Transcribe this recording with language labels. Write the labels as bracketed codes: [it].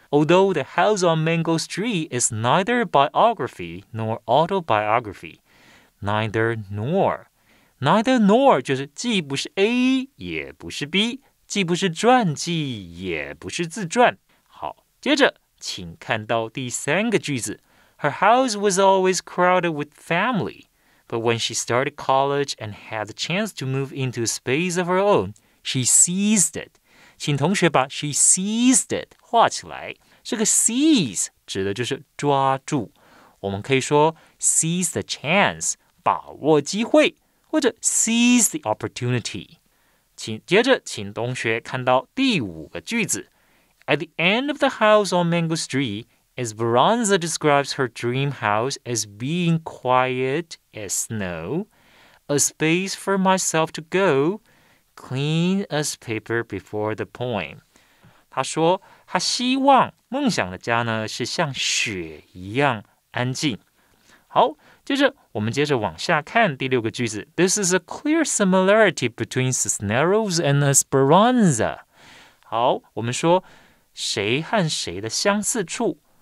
[en] Although the house on Mango Street is neither biography nor autobiography, neither nor, neither nor [zh] 就是既不是 A 也不是 B, 既不是传记也不是自传。好，接着请看到第三个句子。 [en] Her house was always crowded with family,But when she started college and had the chance to move into a space of her own, she seized it. [zh] 请同学把 [en] she seized it [zh] 画起来。这个 seize 指的就是抓住。我们可以说 [en] seize the chance, [zh] 把握机会，或者 [en] seize the opportunity. [zh] 接着请同学看到第五个句子。 [en] At the end of the house on Mango Street,Esperanza describes her dream house as being quiet as snow, a space for myself to go, clean as paper before the poem. [zh] 她说她希望梦想的家呢是像雪一样安静。好，接着我们接着往下看第六个句子。 [en] This is a clear similarity between Cisneros and Esperanza. [zh] 好，我们说谁和谁的相似处。